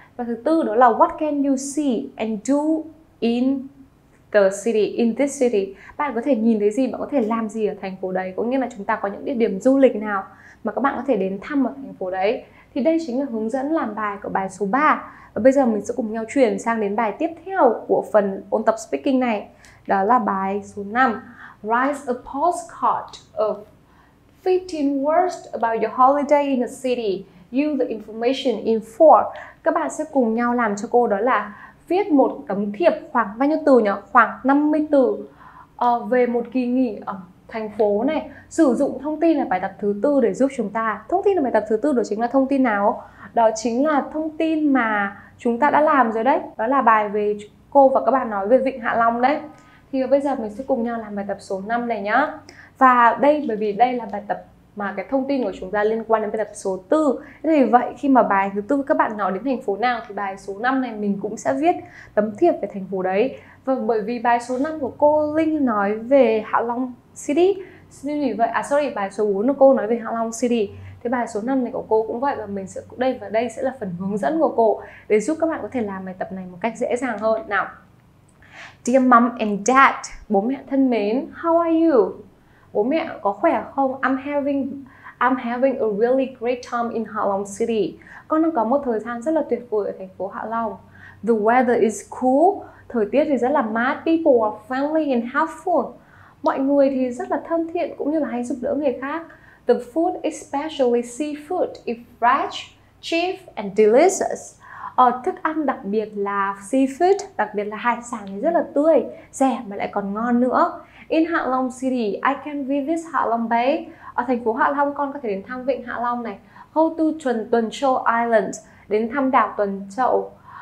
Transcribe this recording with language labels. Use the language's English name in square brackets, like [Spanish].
[Vietnamese] Và thứ tư đó là [English] what can you see and do in the city, in this city? [Vietnamese] Bạn có thể nhìn thấy gì, bạn có thể làm gì ở thành phố đấy? Cũng như là chúng ta có những địa điểm du lịch nào mà các bạn có thể đến thăm ở thành phố đấy. Thì đây chính là hướng dẫn làm bài của bài số 3. Và bây giờ mình sẽ cùng nhau chuyển sang đến bài tiếp theo của phần ôn tập speaking này. Đó là bài số 5. [English] Write a postcard of 15 words about your holiday in a city. Use the information in 4. [Vietnamese] Các bạn sẽ cùng nhau làm cho cô đó là viết một tấm thiệp khoảng bao nhiêu từ nhỉ? Khoảng 50 từ về một kỳ nghỉ ở thành phố này. Sử dụng thông tin là bài tập thứ 4 để giúp chúng ta. Thông tin là bài tập thứ 4 đó chính là thông tin nào? Đó chính là thông tin mà chúng ta đã làm rồi đấy. Đó là bài về cô và các bạn nói về Vịnh Hạ Long đấy. Thì bây giờ mình sẽ cùng nhau làm bài tập số 5 này nhá. Và đây, bởi vì đây là bài tập mà cái thông tin của chúng ta liên quan đến bài tập số 4. Thế thì vậy khi mà bài thứ 4 các bạn nói đến thành phố nào thì bài số 5 này mình cũng sẽ viết tấm thiệp về thành phố đấy. Và bởi vì bài số 5 của cô Linh nói về Hạ Long City. Nên vì vậy, bài số 4 của cô nói về Hạ Long City. Thế bài số 5 này của cô cũng vậy, và mình sẽ đây và đây sẽ là phần hướng dẫn của cô để giúp các bạn có thể làm bài tập này một cách dễ dàng hơn. Nào. [English] Dear mom and dad, [Vietnamese] bố mẹ thân mến, [English] how are you? [Vietnamese] Bố mẹ có khỏe không? [English] I'm having a really great time in Hạ Long City. [Vietnamese] Con đang có một thời gian rất là tuyệt vời ở thành phố Hạ Long. [English] The weather is cool, [Vietnamese] thời tiết thì rất là mát, [English] people are friendly and helpful. [Vietnamese] Mọi người thì rất là thân thiện cũng như là hay giúp đỡ người khác. [English] The food, especially seafood, is fresh, cheap and delicious. [Vietnamese] Thức ăn đặc biệt là seafood, đặc biệt là hải sản thì rất là tươi, rẻ mà lại còn ngon nữa. [English] In Hạ Long City, I can visit Hạ Long Bay. [Vietnamese] Ở thành phố Hạ Long, con có thể đến thăm Vịnh Hạ Long này. [English] Go to Tuần Châu Island, [Vietnamese] đến thăm đảo Tuần Châu.